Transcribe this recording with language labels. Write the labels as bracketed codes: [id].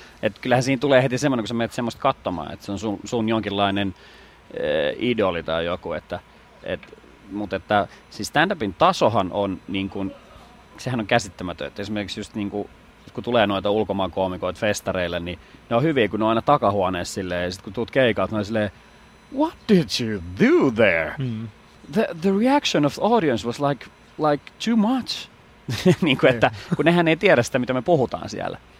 [fi] Et kyllähän siinä tulee heti semmoinen, kun sä menet semmoista katsomaan, että se on sun jonkinlainen idoli tai joku, mutta siis stand-upin tasohan on, niin kun, sehän on käsittämätön. Esimerkiksi just niin kun tulee noita ulkomaan koomikoita festareille, niin ne on hyviä, kun ne on aina takahuoneessa silleen. Ja sitten kun tuut keikalta, ne on silleen, [en] what did you do there? [fi] Mm. [en] The reaction of the audience was like too much. [fi] Niin kun, että, kun nehän ei tiedä sitä, mitä me puhutaan siellä.